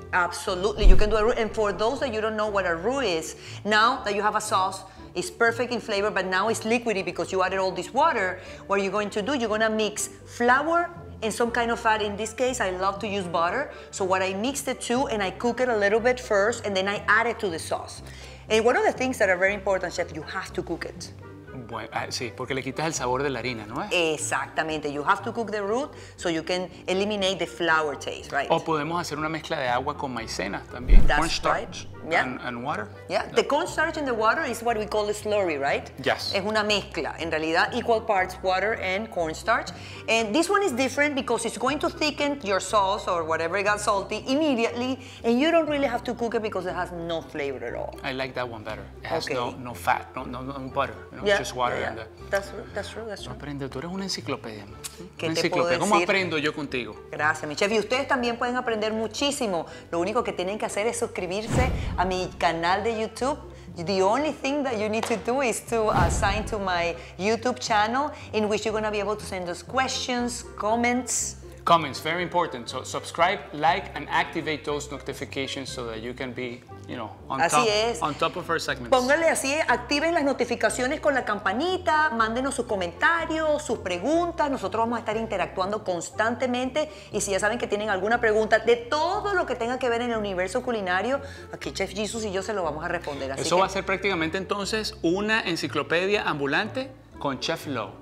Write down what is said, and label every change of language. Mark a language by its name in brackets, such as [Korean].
[English] Absolutely, you can do a roux. And for those that you don't know what a roux is, now that you have a sauce, it's perfect in flavor, but now it's liquidy because you added all this water. What you're going to do, you're going to mix flour and some kind of fat. In this case, I love to use butter. So what I mix the two and I cook it a little bit first and then I add it to the sauce. And one of the things that are very important, Chef, you have to cook it. [Spanish] Bueno, sí, porque le quitas el sabor de la harina, ¿no? Exactamente. [English] You have to cook the root so you can eliminate the flour taste, right? [Spanish] O podemos hacer una mezcla de agua con maicena también. [English] That's cornstarch, right? Yeah. And water. Yeah, no. The cornstarch and the water is what we call a slurry, right? Yes. [Spanish] Es una mezcla, en realidad, [English] equal parts water and cornstarch. And this one is different because it's going to thicken your sauce or whatever got salty immediately, and you don't really have to cook it because it has no flavor at all. I like that one better. It has no fat, no butter. You know? Yeah. Just water. Yeah, yeah. That's true. [Spanish] No aprende, tú eres una enciclopedia. ¿Qué una enciclopedia. Te puedo decir? ¿Cómo aprendo yo contigo? Gracias, mi chef. Y ustedes también pueden aprender muchísimo. Lo único que tienen que hacer es suscribirse a mi canal de YouTube. [English] The only thing that you need to do is to sign to my YouTube channel, in which you're going to be able to send us questions, comments. comments, very important. So subscribe, like, and activate those notifications so that you can be, you know, on top of our segments. [Spanish] Póngale así, activen las notificaciones con la campanita, mándenos sus comentarios, sus preguntas. Nosotros vamos a estar interactuando constantemente. Y si ya saben que tienen alguna pregunta de todo lo que tenga que ver en el universo culinario, aquí Chef Jesus y yo se lo vamos a responder. Así eso que va a ser prácticamente entonces una enciclopedia ambulante con Chef Low.